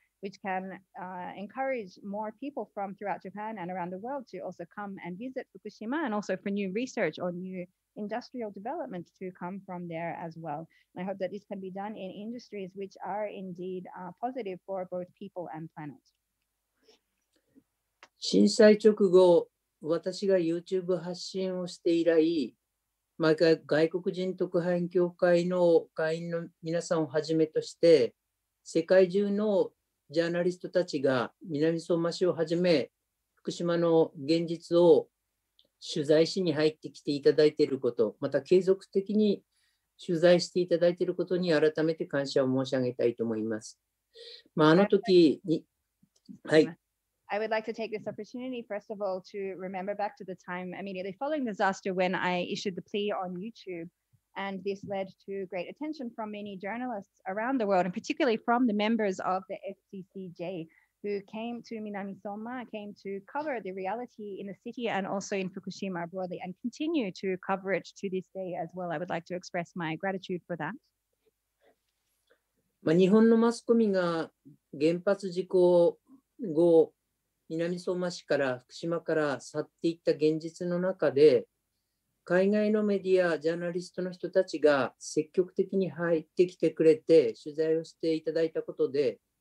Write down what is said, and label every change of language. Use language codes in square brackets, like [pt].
[en] which can encourage more people from throughout Japan and around the world to also come and visit Fukushima, and also for new research or new industrial development to come from there as well. And I hope that this can be done in industries which are indeed positive for both people and planet. [ja] 震災直後、私が YouTube 発信をして以来、毎回外国人特派員協会の会員の皆さんをはじめとして、世界中のジャーナリストたちが南相馬市をはじめ、福島の現実を取材しに入ってきていただいていること、また継続的に取材していただいていることに改めて感謝を申し上げたいと思います。まあ、あの時に、はい。 [en] I would like to take this opportunity, first of all, to remember back to the time immediately following disaster when I issued the plea on YouTube. And this led to great attention from many journalists around the world, and particularly from the members of the FCCJ who came to Minami Soma, came to cover the reality in the city and also in Fukushima broadly, and continue to cover it to this day as well. I would like to express my gratitude for that. [ja] まあ、日本のマスコミが原発事故後南相馬市から福島から去っていった現実の中で、海外のメディア、ジャーナリストの人たちが積極的に入ってきてくれて、取材をしていただいたことで、